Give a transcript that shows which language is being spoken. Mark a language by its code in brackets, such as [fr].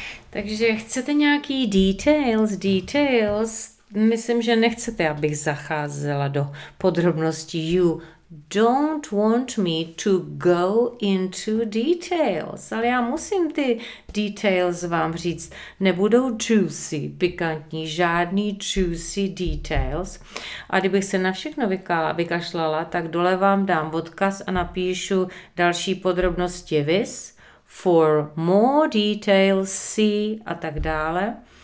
[cs] Takže chcete nějaký details? Details? Myslím, že nechcete, abych zacházela do podrobností. [en] You don't want me to go into details. [cs] Ale já musím ty details vám říct. Nebudou juicy, pikantní, žádný juicy details. A kdybych se na všechno vykašlala, tak dole vám dám odkaz a napíšu další podrobnosti viz. [en] For more details see [cs] a tak dále.